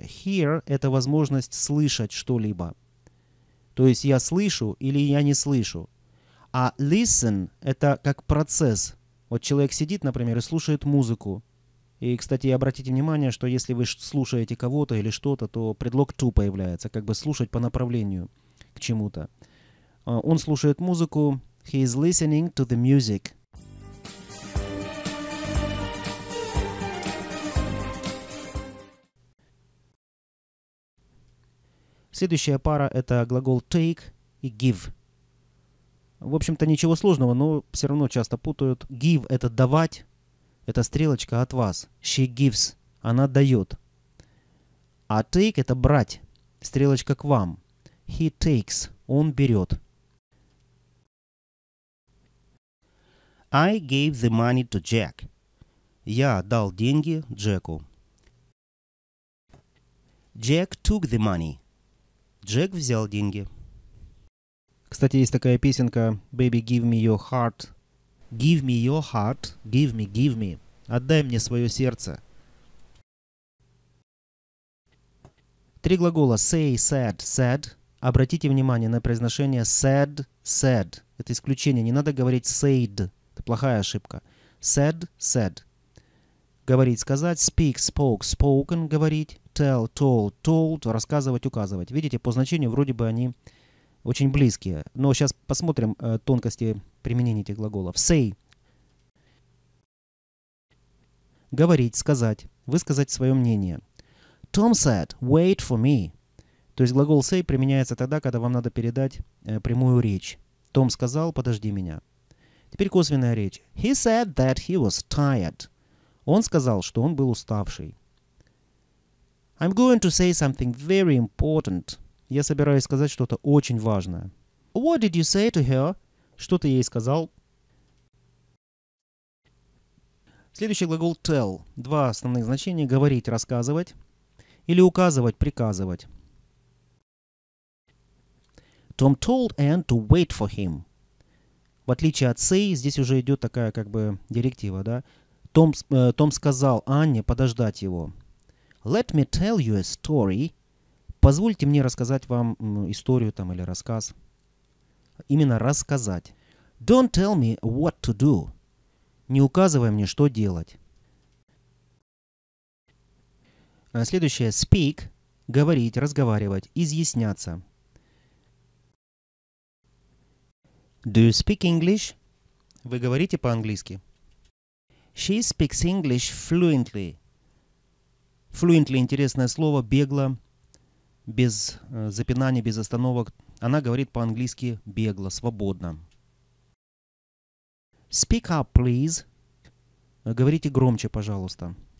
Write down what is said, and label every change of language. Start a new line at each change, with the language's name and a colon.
Russian: Hear – это возможность слышать что-либо. То есть я слышу или я не слышу. А listen – это как процесс. Вот человек сидит, например, и слушает музыку. И, кстати, обратите внимание, что если вы слушаете кого-то или что-то, то предлог to появляется, как бы слушать по направлению к чему-то. Он слушает музыку.
English: He is listening to the music.
Russian: Следующая пара – это глагол take и give. В общем-то, ничего сложного, но все равно часто путают. Give – это давать, это стрелочка от вас.
English: She gives
Russian: – она дает. А take – это брать, стрелочка к вам.
English: He takes
Russian: – он берет.
English: I gave the money to Jack.
Russian: Я дал деньги Джеку.
English: Jack took the money.
Russian: Джек взял деньги. Кстати, есть такая песенка
English: «Baby, give me your heart». «Give me your heart», «Give me, give me».
Russian: «Отдай мне свое сердце». Три глагола «say», «said», «said». Обратите внимание на произношение «said», «said». Это исключение. Не надо говорить «said». Это плохая ошибка. «Said», «said». Говорить, сказать. «Speak», «spoke», «spoken», говорить. «Tell», «told», «told», рассказывать, указывать. Видите, по значению вроде бы они... очень близкие. Но сейчас посмотрим тонкости применения этих глаголов. Say. Говорить, сказать, высказать свое мнение.
English: Tom said, wait for me.
Russian: То есть глагол say применяется тогда, когда вам надо передать прямую речь. Том сказал, подожди меня. Теперь косвенная речь.
English: He said that he was tired.
Russian: Он сказал, что он был уставший.
English: I'm going to say something very important.
Russian: Я собираюсь сказать что-то очень важное.
English: What did you say to her?
Russian: Что ты ей сказал? Следующий глагол tell. Два основных значения. Говорить, рассказывать. Или указывать, приказывать.
English: Tom told Anne to wait for him.
Russian: В отличие от say, здесь уже идет такая как бы директива, да? Том сказал Анне подождать его.
English: Let me tell you a story.
Russian: Позвольте мне рассказать вам историю там или рассказ. Именно рассказать.
English: Don't tell me what to do.
Russian: Не указывай мне, что делать. Следующее. Speak. Говорить, разговаривать, изъясняться.
English: Do you speak English?
Russian: Вы говорите по-английски.
English: She speaks English fluently.
Russian: Fluently – интересное слово, бегло. Без запинаний, без остановок. Она говорит по-английски бегло, свободно.
English: Speak up, please.
Russian: Говорите громче, пожалуйста.